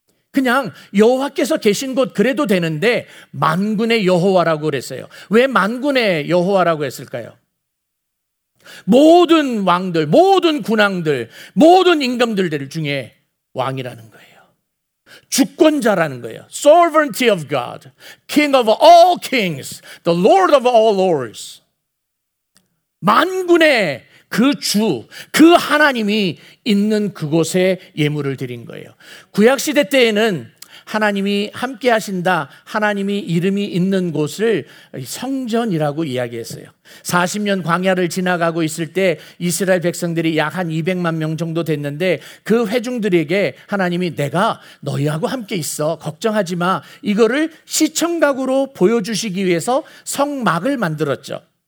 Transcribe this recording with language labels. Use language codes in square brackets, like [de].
[ko] 그냥 여호와께서 계신 곳 그래도 되는데 만군의 여호와라고 그랬어요. 왜 만군의 여호와라고 했을까요? 모든 왕들, 모든 군왕들, 모든 임금들 중에 왕이라는 거예요. 주권자라는 거예요. [en] Sovereignty of God, King of all kings, the Lord of all lords. [ko] 만군의 그 주, 그 하나님이 있는 그곳에 예물을 드린 거예요. 구약시대 때에는 하나님이 함께 하신다, 하나님이 이름이 있는 곳을 성전이라고 이야기했어요. 40년 광야를 지나가고 있을 때 이스라엘 백성들이 약 한 200만 명 정도 됐는데 그 회중들에게 하나님이 내가 너희하고 함께 있어 걱정하지 마, 이거를 시청각으로 보여주시기 위해서 성막을 만들었죠.